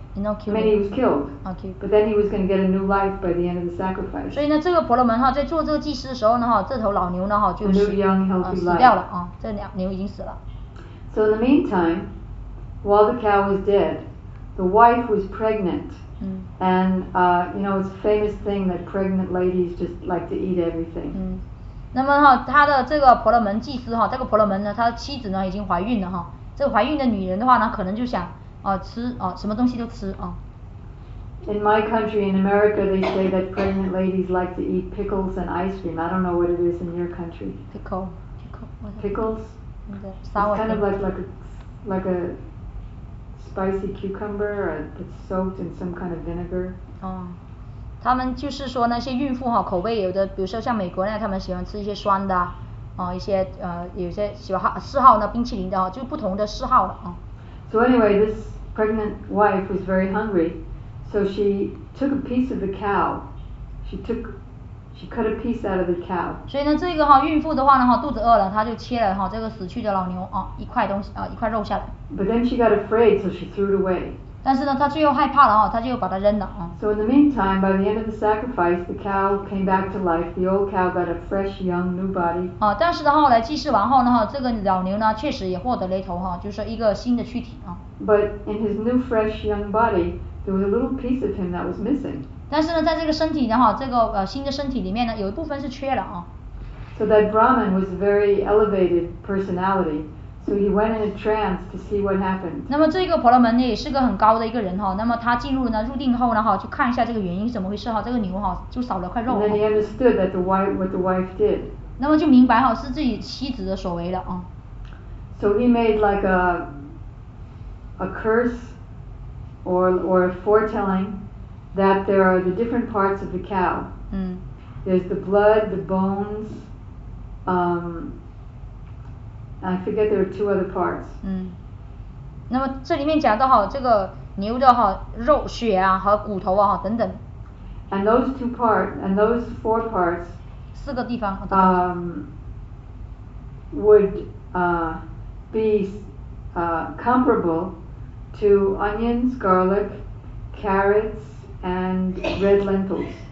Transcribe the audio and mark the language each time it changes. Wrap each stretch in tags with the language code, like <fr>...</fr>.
<en>He's not killed. I mean, he was killed. Okay. But then he was going to get a new life by the end of the sacrifice.</en> <zh>所以呢，这个婆罗门哈，在做这个祭祀的时候呢，哈，这头老牛呢，哈，就是死掉了啊，这牛已经死了。</zh> <en>So in the meantime, while the cow was dead, the wife was pregnant. And you know it's a famous thing that pregnant ladies just like to eat everything.</en> <zh>那么哈，他的这个婆罗门祭司哈，这个婆罗门呢，他的妻子呢已经怀孕了哈。这怀孕的女人的话呢，可能就想吃什么东西都吃啊。</zh> <en>In my country, in America, they say that pregnant ladies like to eat pickles and ice cream. I don't know what it is in your country. Pickle, 就 pickles. Sour it's kind of like a spicy cucumber that's soaked in some kind of vinegar. Oh.</en> <zh>他们就是说那些孕妇哈，口味有的，比如说像美国呢，他们喜欢吃一些酸的，哦，一些有些喜欢嗜好那冰淇淋的哦，就不同的嗜好了啊。</zh> <en>So anyway, this pregnant wife was very hungry, so she took a piece of the cow. She cut a piece out of the cow.</en> <zh>所以呢，这个哈孕妇的话呢哈，肚子饿了，她就切了哈这个死去的老牛啊一块东西啊一块肉下来。</zh> <en>But then she got afraid, so she threw it away.</en> <zh>但是呢，他最后害怕了哦，他就把它扔了啊。</zh> <en>So in the meantime, by the end of the sacrifice, the cow came back to life. The old cow got a fresh, young, new body.</en> <zh>啊，但是呢，后来祭祀完后呢，哈，这个老牛呢，确实也获得了一头哈，就是一个新的躯体啊。</zh> <en>But in his new, fresh, young body, there was a little piece of him that was missing.</en> <zh>但是呢，在这个身体呢，哈，这个新的身体里面呢，有一部分是缺了啊。</zh> <en>So that Brahman was a very elevated personality. So he went in a trance to see what happened.</en> <zh>那么这个婆罗门呢也是个很高的一个人哈，那么他进入呢入定后呢哈，去看一下这个原因怎么回事哈，这个牛哈就少了块肉。</zh> <en>And then he understood that the wife, what the wife did.</en> <zh>那么就明白哈是自己妻子的所为了啊。</zh> <en>So he made like a curse or a foretelling that there are the different parts of the cow. 嗯。 There's the blood, the bones, I forget there are two other parts.</en> <zh>嗯，那么这里面讲到哈，这个牛的哈肉、血啊和骨头啊等等。</zh> <en>And those two parts, and those four parts.</en> <zh>四个地方。</zh> <en>Would be comparable to onions, garlic, carrots, and red lentils.</en>